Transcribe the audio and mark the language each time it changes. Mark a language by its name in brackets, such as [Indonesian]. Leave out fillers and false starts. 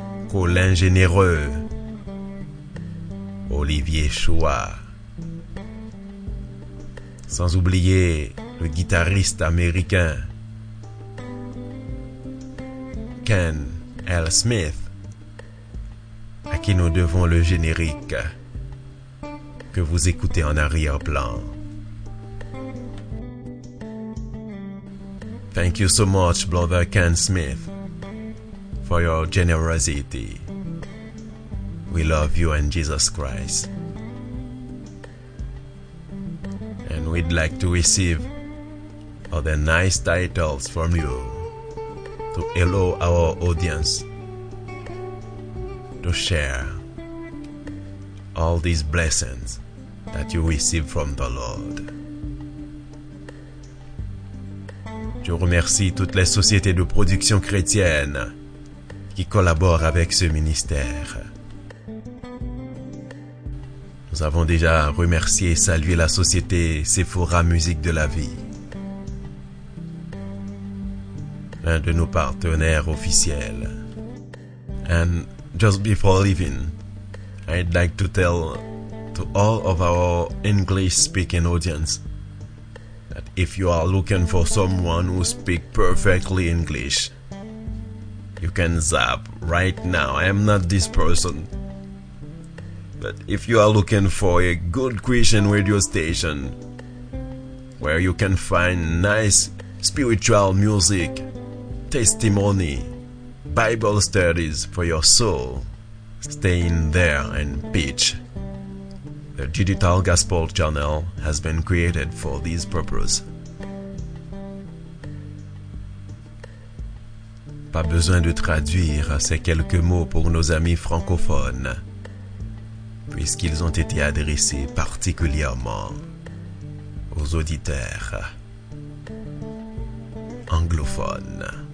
[French] Colin Généreux, Olivier Choix, sans oublier le guitariste américain Ken L. Smith, à qui nous devons le générique que vous écoutez en arrière-plan. [English] Thank you so much, brother Ken Smith, for your generosity. We love you and Jesus Christ. And we'd like to receive other nice titles from you to allow our audience to share all these blessings that you receive from the Lord. [French] Je remercie toutes les sociétés de production chrétienne qui collabore avec ce ministère. Nous avons déjà remercié et salué la société Sephora Musique de la Vie, l'un de nos partenaires officiels. [English] And just before leaving, I'd like to tell to all of our English-speaking audience that if you are looking for someone who speaks perfectly English, you can zap right now. I am not this person. But if you are looking for a good Christian radio station where you can find nice spiritual music, testimony, Bible studies for your soul. Stay in there and pitch. The Digital Gospel Channel has been created for this purpose. [French] Pas besoin de traduire ces quelques mots pour nos amis francophones, puisqu'ils ont été adressés particulièrement aux auditeurs anglophones.